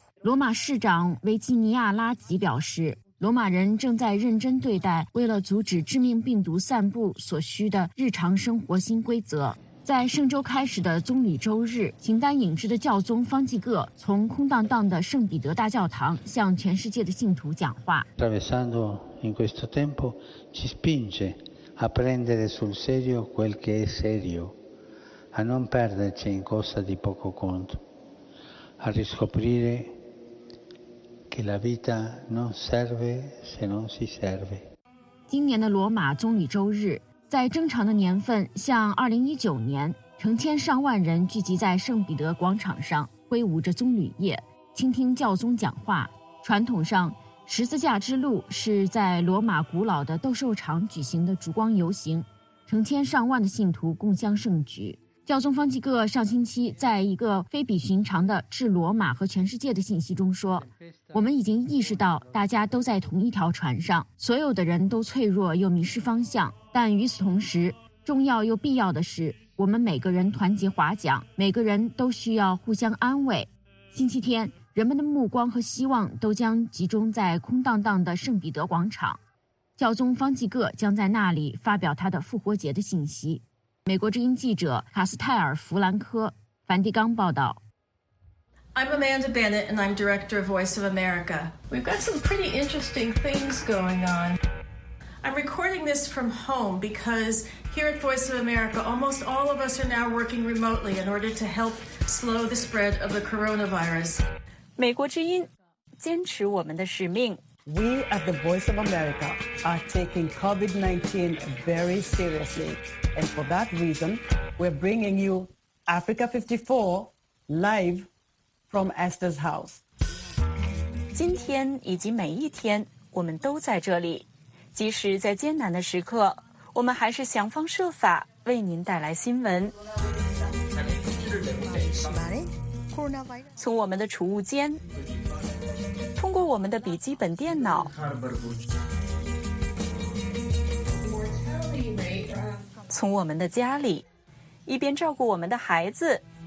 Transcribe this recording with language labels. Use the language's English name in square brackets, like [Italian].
[Chinese] 罗马市长维吉尼亚·拉吉表示，罗马人正在认真对待为了阻止致命病毒散布所需的日常生活新规则。在圣周开始的棕榈周日，形单影只的教宗方济各从空荡荡的圣彼得大教堂向全世界的信徒讲话。 [Italian] Attraversando in questo tempo ci spinge a prendere sul serio quel che è serio, a non perderci in cosa di poco conto, a riscoprire che la vita non serve se non si serve。 [Chinese] 今年的罗马棕榈周日，在正常的年份，像2019年，成千上万人聚集在圣彼得广场上，挥舞着棕榈叶，倾听教宗讲话。传统上，十字架之路是在罗马古老的斗兽场举行的烛光游行，成千上万的信徒共襄盛举。教宗方济各上星期在一个非比寻常的致罗马和全世界的信息中说，我们已经意识到大家都在同一条船上，所有的人都脆弱又迷失方向，但与此同时，重要又必要的是我们每个人团结划桨，每个人都需要互相安慰。星期天，人们的目光和希望都将集中在空荡荡的圣彼得广场，教宗方济各将在那里发表他的复活节的信息。美国之音记者卡斯泰尔弗兰科梵蒂冈报道。 [English] I'm Amanda Bennett and I'm director of Voice of America. We've got some pretty interesting things going on. I'm recording this from home because here at Voice of America, almost all of us are now working remotely in order to help slow the spread of the coronavirus. [Chinese] 美国之音坚持我们的使命。 [English] We at the Voice of America are taking COVID-19 very seriously. And for that reason, we're bringing you Africa 54 live from Esther's house. [Chinese] 今天以及每一天我们都在这里。即使在艰难的时刻，我们还是想方设法为您带来新闻。从我们的储物间，通过我们的笔记本电脑，从我们的家里，一边照顾我们的孩子，